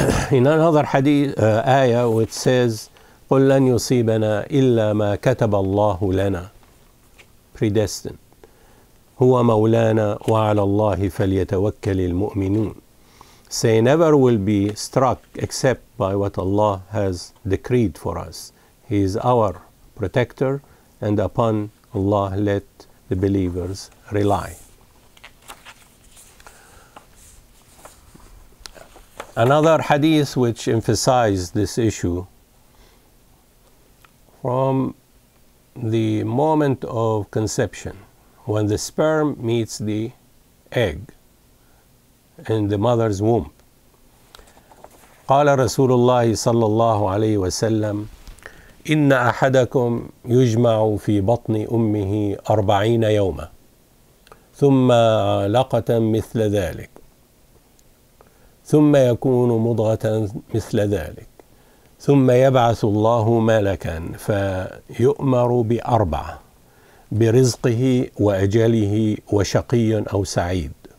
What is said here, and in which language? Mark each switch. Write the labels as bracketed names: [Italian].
[English] In another hadith, ayah which says [Arabic] قل لن يصيبنا إلا ما كتب الله لنا predestined هو مولانا وعلى الله فليتوكل المؤمنون. [English] Say, never will be struck except by what Allah has decreed for us. He is our protector, and upon Allah let the believers rely. Another hadith which emphasized this issue, from the moment of conception, when the sperm meets the egg, in the mother's womb. [Arabic] قال رسول الله صلى الله عليه وسلم إن أحدكم يجمع في بطن أمه 40 يوما ثم علقة مثل ذلك ثم يكون مضغة مثل ذلك ثم يبعث الله ملكا فيؤمر بأربعة برزقه وأجله وشقي أو سعيد